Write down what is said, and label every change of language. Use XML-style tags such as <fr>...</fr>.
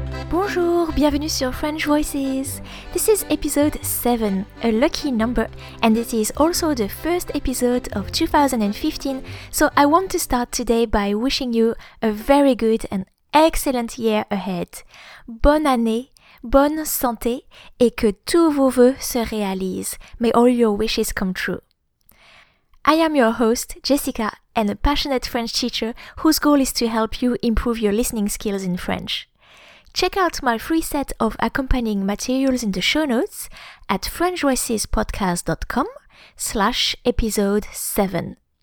<fr>Bonjour, bienvenue sur French Voices.</fr> <en>This is episode 7, a lucky number, and this is also the first episode of 2015, so I want to start today by wishing you a very good and excellent year ahead.</en> <fr>Bonne année, bonne santé, et que tous vos vœux se réalisent.</fr> <en>May all your wishes come true. I am your host, Jessica, and a passionate French teacher whose goal is to help you improve your listening skills in French. Check out my free set of accompanying materials in the show notes at frenchvoicespodcast.com/episode7.</en>